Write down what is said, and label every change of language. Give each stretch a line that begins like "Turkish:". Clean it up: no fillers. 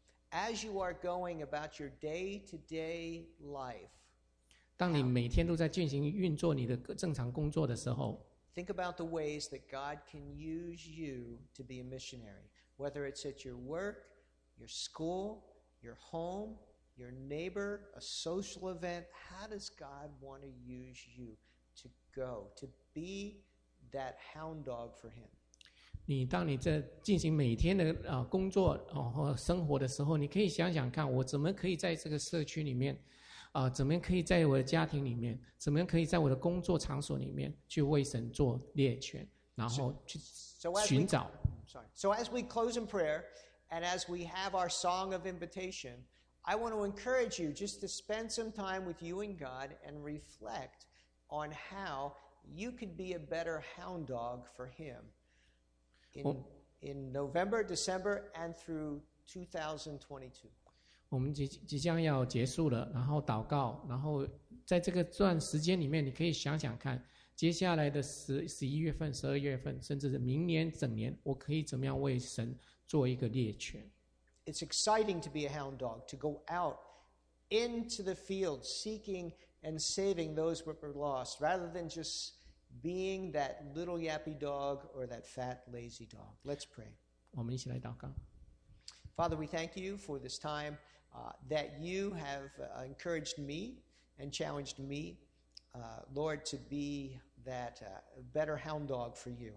English: As you are going about your day-to-day life,
Chinese: 当你每天都在进行运作你的正常工作的时候，
English: Think about the ways that God can use you to be a missionary, whether it's at your work, your school, your home, your neighbor, a social event. How does God want to use you to go, to be that hound dog for Him?
Chinese: 你当你在进行每天的工作和生活的时候，你可以想想看，我怎么可以在这个社区里面怎么样可以在我的家庭里面，怎么样可以在我的工作场所里面去为神做猎犬，然后去寻找。
English: So as we close in prayer, and as we have our song of invitation, I want to encourage you just to spend some time with you and God and reflect on how you could be a better hound dog for him in November, December, and through 2022.
Chinese: 我们即将要结束了，然后祷告，然后在这个段时间里面，你可以想想看，接下来的11月份、12月份，甚至是明年整年，我可以怎么样为神做一个猎犬。
English: It's exciting to be a hound dog, to go out into the field seeking and saving those who were lost, rather than just being that little yappy dog or that fat, lazy dog. Let's pray.
Chinese: 我们一起来祷告。
English: Father, we thank you for this time, that you have encouraged me and challenged me, Lord, to be that better hound dog for you.